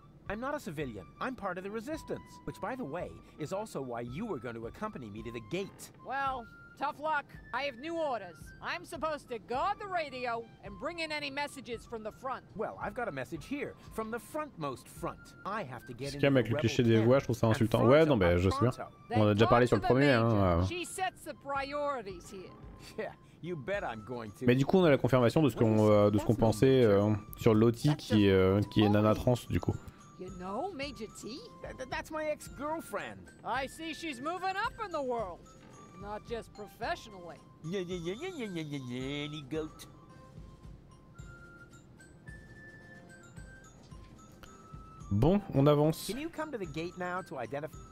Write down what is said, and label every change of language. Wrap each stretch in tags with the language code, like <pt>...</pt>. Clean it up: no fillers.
<en>I'm not a civilian. I'm part of the resistance, which by the way is also why you were going to accompany me to the gate. Well, tough luck. I have new orders. I'm supposed to guard the radio and bring in any messages from the front. Well, I've got a message here from the frontmost front. I have to get in.</en> <fr>Avec le cliché des voix, je trouve ça insultant. Ouais, non, ben je suis bien. On a déjà parlé sur le premier.</fr> <en>She sets the priorities here. Yeah, you bet I'm going to.</en> <fr>Mais du coup, on a la confirmation de ce qu'on pensait sur Lottie qui est nana trans du coup.</fr> <en>You know, Major T? That's my ex-girlfriend. I see she's moving up in the world. Not just professionally. Any goat.</en> <fr>Bon, on avance.</fr> <en>Can you come to the gate now to identify?</en>